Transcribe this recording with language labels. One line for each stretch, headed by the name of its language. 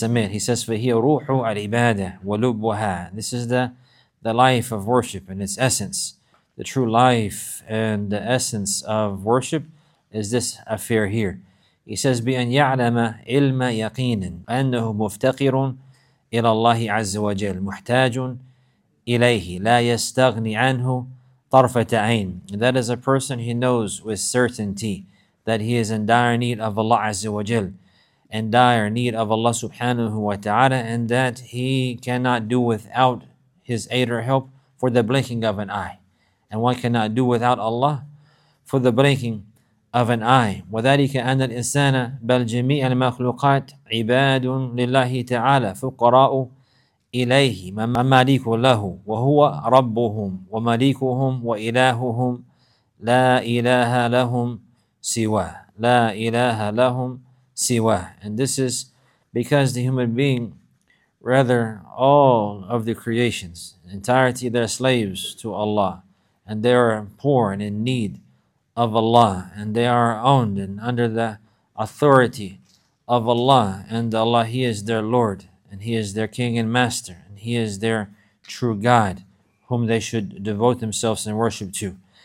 English: He says,
Arabic: فَهِيَ رُوحُ الْعِبَادَةِ وَلُبُّهَا.
English: This is the life of worship and its essence. The true life and the essence of worship is this affair here. He says,
Arabic: بِأَنْ يَعْلَمَ إِلْمَ يَقِينٍ أَنَّهُ مُفْتَقِرٌ إلى الله عز وجل محتاج إليه لا يستغني عنه طرفة عين.
English: That is a person, he knows with certainty that he is in dire need of Allah عز وجل, in dire need of Allah subhanahu wa ta'ala, and that he cannot do without his aid or help for the blinking of an eye. And one cannot do without Allah for the blinking of an eye.
Arabic: وذلك أن الإنسان بل جميع المخلوقات عباد لله تعالى فقراء إليه ممالك له وهو ربهم ومليكهم وإلههم لا إله لهم سواه لا إله لهم سواه.
English: And this is because the human being, rather all of the creations, entirety, they're slaves to Allah, and they are poor and in need of Allah, and they are owned and under the authority of Allah, and Allah, He is their Lord, and He is their King and Master, and He is their true God, whom they should devote themselves and worship to.